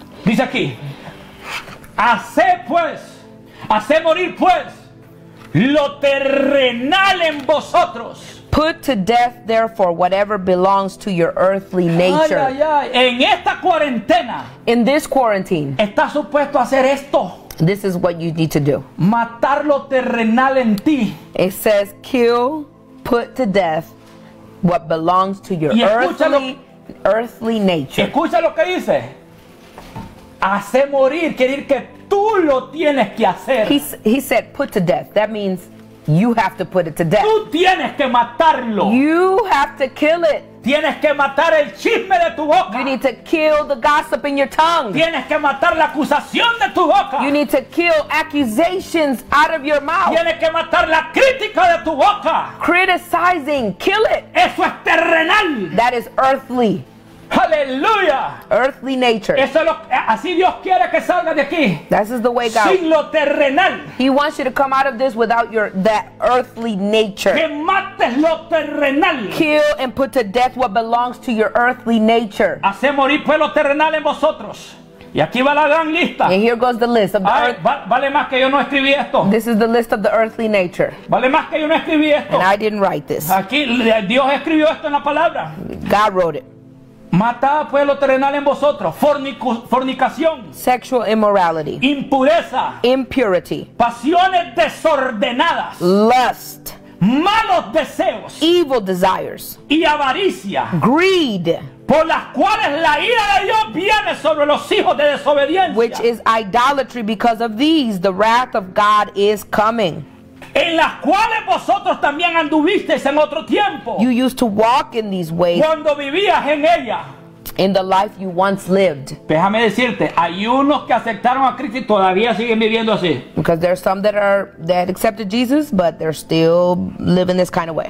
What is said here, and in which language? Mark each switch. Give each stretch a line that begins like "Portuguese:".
Spanish: Dice aquí: hace morir pues lo terrenal en vosotros.
English: Put to death therefore whatever belongs to your earthly nature.
Spanish: Ay, ay, ay. En esta cuarentena.
English: In this quarantine.
Spanish: Está supuesto a hacer esto.
English: This is what you need to do.
Spanish: Matar lo terrenal en ti.
English: It says kill, put to death what belongs to your earthly nature.
Spanish: Escucha lo que dice. Hace morir, quiere decir que tú lo tienes que hacer.
English: He said put to death. That means You have to put it to death.
Spanish: Tú tienes que matarlo.
English: You have to kill it.
Spanish: Tienes que matar el chisme de tu boca.
English: You need to kill the gossip in your tongue.
Spanish: Tienes que matar la acusación de tu boca.
English: You need to kill accusations out of your mouth.
Spanish: Tienes que matar la crítica de tu boca.
English: Criticizing, kill it.
Spanish: Eso es terrenal.
English: That is earthly. Hallelujah. Earthly nature.
Spanish: Eso es lo, así Dios quiere que salga de aquí.
English: This is the way God.
Spanish: Sin lo terrenal.
English: He wants you to come out of this without your that earthly nature.
Spanish: Que mates lo terrenal.
English: Kill and put to death what belongs to your earthly nature.
Spanish: Hace morir pues lo terrenal en vosotros. Y aquí va la gran lista.
English: And here goes the list of the earth.
Spanish: Vale más que yo no escribí esto.
English: This is the list of the earthly nature.
Spanish: Vale más que yo no escribí esto.
English: And I didn't write this.
Spanish: Aquí Dios escribió esto en la palabra.
English: God wrote it.
Spanish: Mata pues lo terrenal en vosotros, fornicación,
English: sexual immorality,
Spanish: impureza,
English: impurity,
Spanish: pasiones desordenadas,
English: lust,
Spanish: malos deseos,
English: evil desires,
Spanish: y avaricia,
English: greed,
Spanish: por las cuales la ira de Dios viene sobre los hijos de desobediencia,
English: which is idolatry, because of these the wrath of God is coming.
Spanish: En las cuales vosotros también anduvisteis en otro tiempo.
English: You used to walk in these ways.
Spanish: Cuando vivías en ella.
English: In the life you once lived.
Spanish: Déjame decirte, hay unos que aceptaron a Cristo y todavía siguen viviendo así.
English: Because there are some that accepted Jesus, but they're still living this kind of way.